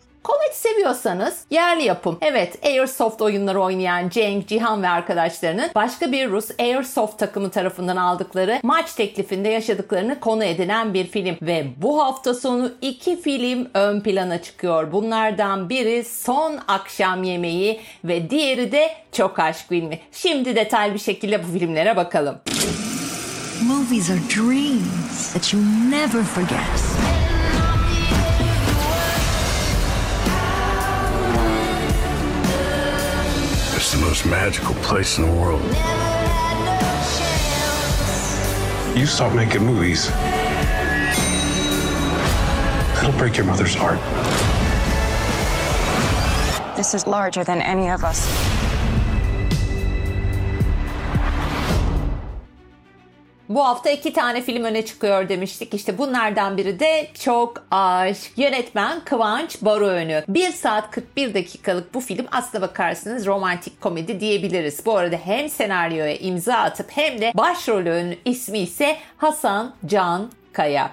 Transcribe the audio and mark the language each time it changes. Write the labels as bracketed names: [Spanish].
[Turkish] Komedi seviyorsanız yerli yapım. Evet, Airsoft oyunları oynayan Cenk, Cihan ve arkadaşlarının başka bir Rus Airsoft takımı tarafından aldıkları maç teklifinde yaşadıklarını konu edinen bir film. Ve bu hafta sonu iki film ön plana çıkıyor. Bunlardan biri Son Akşam Yemeği ve diğeri de Çok Aşk Filmi. Şimdi detaylı bir şekilde bu filmlere bakalım. [English] Movies are dreams that you never forget. The most magical place in the world. No, you stop making movies, it'll break your mother's heart. This is larger than any of us. [Turkish] Bu hafta iki tane film öne çıkıyor demiştik. İşte bunlardan biri de Çok Aşk. Yönetmen Kıvanç Baroönü. 1 saat 41 dakikalık bu film aslına bakarsanız romantik komedi diyebiliriz. Bu arada hem senaryoya imza atıp hem de başrolün ismi ise Hasan Can Kaya.